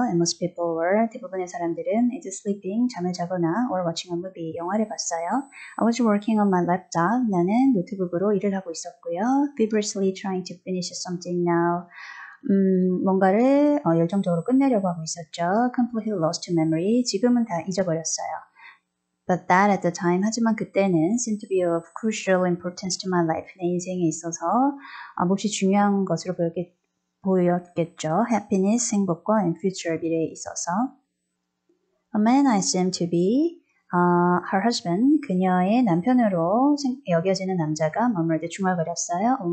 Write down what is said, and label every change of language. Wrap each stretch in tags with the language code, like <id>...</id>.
<en>And most people were,</en> <ko>대부분의 사람들은,</ko> <en>either sleeping,</en> <ko>잠을 자거나,</ko> <en>or watching a movie,</en> <ko>영화를 봤어요.</ko> <en>I was working on my laptop.</en> <ko>나는 노트북으로 일을 하고 있었고요.</ko> <en>Feverishly trying to finish something now.</en> <ko>뭔가를 열정적으로 끝내려고 하고 있었죠.</ko> <en>Completely lost to memory.</en> <ko>지금은 다 잊어버렸어요.</ko> <en>But that at the time,</en> <ko>하지만 그때는</ko> <en>seemed to be of crucial importance to my life.</en> <ko>내 인생에 있어서 몹시 중요한 것으로 보였겠죠.</ko> <en>Happiness,</en> <ko>행복과</ko> <en>and future,</en> <ko>미래에 있어서.</ko> <en>A man I seem to be, her husband,</en> <ko>그녀의 남편으로 여겨지는 남자가 머물듯 중얼거렸어요.</ko>